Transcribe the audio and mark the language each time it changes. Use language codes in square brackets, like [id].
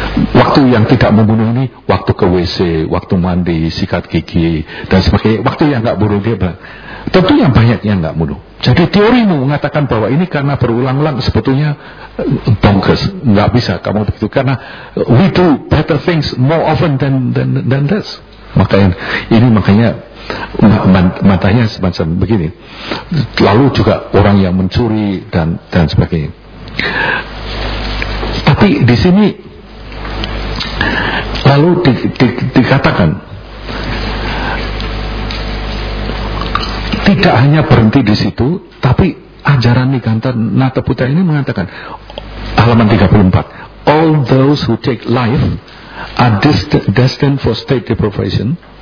[id] Waktu yang tidak membunuh ini, waktu ke WC, waktu mandi, sikat gigi, dan sebagainya. Waktu yang tidak bunuh dia, tentu yang banyak yang tidak bunuh. Jadi teorimu mengatakan bahwa ini karena berulang-ulang sebetulnya bonkers. Tidak bisa kamu begitu. Karena [en] we do better things more often than this. [id] Makanya ini makanya matanya semacam begini. Lalu juga orang yang mencuri dan sebagainya. Tapi di sini lalu dikatakan tidak hanya berhenti di situ, tapi ajaran Nikanta Nataputta ini mengatakan halaman 34, [en] all those who take life are destined for state deprivation.